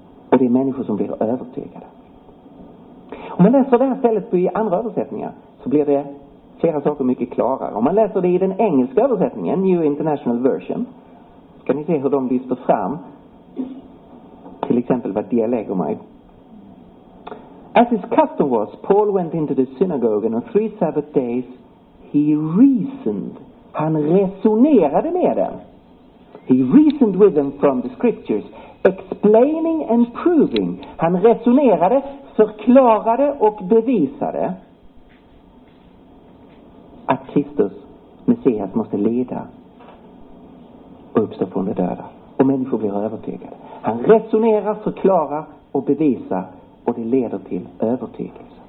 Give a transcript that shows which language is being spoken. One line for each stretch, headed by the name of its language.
Swedish: Och det är människor som blir övertygade. Om man läser det här stället i andra översättningar så blir det flera saker mycket klarare. Om man läser det i den engelska översättningen, New International Version, så kan ni se hur de lyfter fram till exempel vad dialegomide.
English: As his custom was, Paul went into the synagogue and on 3 Sabbath days he reasoned.
Swedish: Han resonerade med dem.
English: He reasoned with them from the scriptures, explaining and proving.
Swedish: Han resonerade, förklarade och bevisade att Kristus, Messias, måste lida och uppstå från de döda. Och människor blir övertygade. Han resonerar, förklarar och bevisar, och det leder till övertygelse.